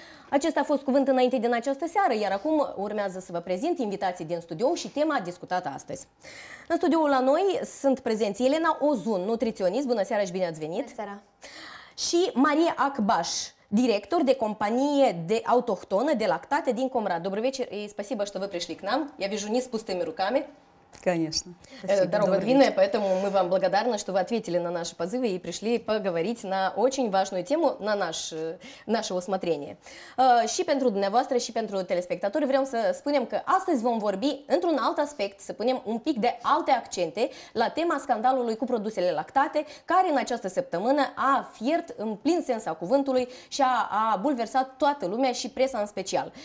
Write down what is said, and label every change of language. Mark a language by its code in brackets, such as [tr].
[ro] Acesta a fost cuvântul înainte din această seară, iar acum urmează să vă prezint invitații din studio și tema discutată astăzi. În studioul la noi sunt prezenți Elena Ozun, nutriționist. Bună seara și bine ați venit! Bună seara! Și Maria Acbaș, director de companie de autohtonă de lactate din Comrad. [ru] Dobrý večer, spasibo, što vy prišli k nam. Я вижу, не с пустыми руками. Конечно. Дорога длинная, поэтому мы вам благодарны, что вы ответили на наши позывы и пришли поговорить на очень важную тему на наше усмотрение. [ro] Și pentru dumneavoastră, și pentru telespectatori, vreau să spunem că astăzi vom vorbi într-un alt aspect, să punem un pic de alte accente la tema scandalului cu produsele lactate, care în această săptămână a fiert în plin sens al cuvântului și a bulversat toată lumea și presa în special.